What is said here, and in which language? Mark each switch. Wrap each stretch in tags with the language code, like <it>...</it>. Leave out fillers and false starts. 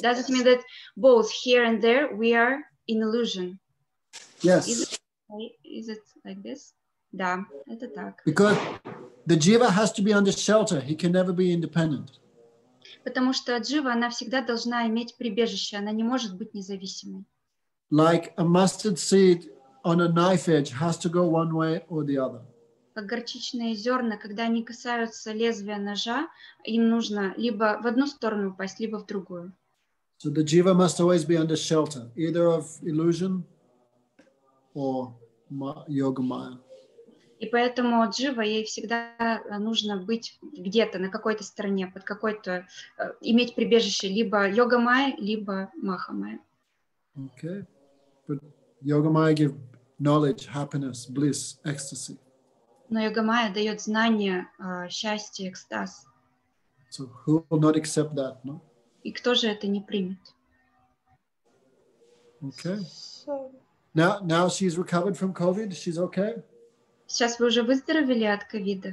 <en>Does it mean that both here and there, we are in illusion? Yes. Is it like this?</en> <ru>Да, это так.</ru> <en>Because the jiva has to be under shelter. He can never be independent.</en> <ru>Потому что джива, она всегда должна иметь прибежище. Она не может быть независимой.</ru> <en>Like a mustard seed on a knife edge has to go one way or the other.</en> <ru>Как горчичные зерна, когда они касаются лезвия ножа, им нужно либо в одну сторону упасть, либо в другую.</ru> <en>So the jiva must always be under shelter, either of illusion or yoga maya.</en> <ru>И поэтому джива, ей всегда нужно быть где-то, на какой-то стороне, под какой-то, иметь прибежище, либо йога майя, либо маха майя.</ru> <en>Okay. But yoga maya give knowledge, happiness, bliss, ecstasy.</en> <ru>Но йога майя дает знания, счастье, экстаз.</ru> <en>So who will not accept that, no?</en> <ru>И кто же это не примет?</ru> <en>Okay. Now she's recovered from COVID. She's okay.</en> <ru>Сейчас вы уже выздоровели от ковида.</ru>